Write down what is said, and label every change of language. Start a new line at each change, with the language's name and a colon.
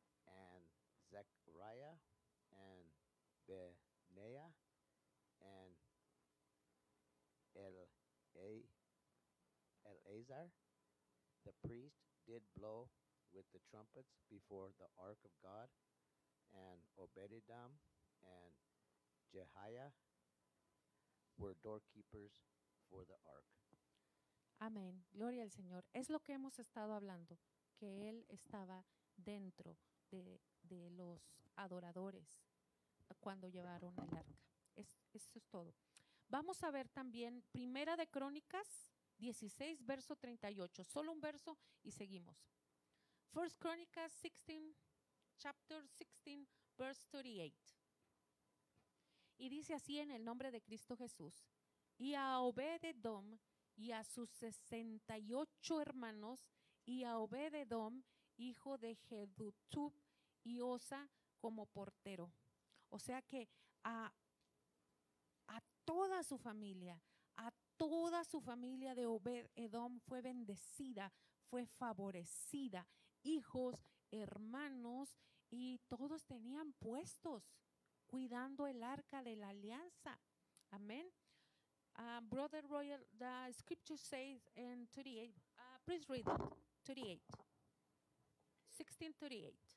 English: and Zechariah and Benaya and Eleazar the priest did blow with the trumpets before the ark of God, and Obed-Edom and Jehiah were doorkeepers for the ark.
Spanish: Amén. Gloria al Señor. Es lo que hemos estado hablando, que él estaba dentro de los adoradores cuando llevaron el arca. Eso es todo. Vamos a ver también Primera de Crónicas 16, verso 38. Solo un verso y seguimos.
English: First Chronicles 16, chapter 16, verse 38.
Spanish: Y dice así en el nombre de Cristo Jesús, y a Obed-Edom y a sus 68 hermanos, y a Obed-Edom, hijo de Jedutub y Osa, como portero. O sea que a toda su familia, a toda su familia de Obed-Edom fue bendecida, fue favorecida, hijos, hermanos, y todos tenían puestos cuidando el arca de la alianza. Amén.
English: Brother Royal, the scripture says in 38, please read it, 1638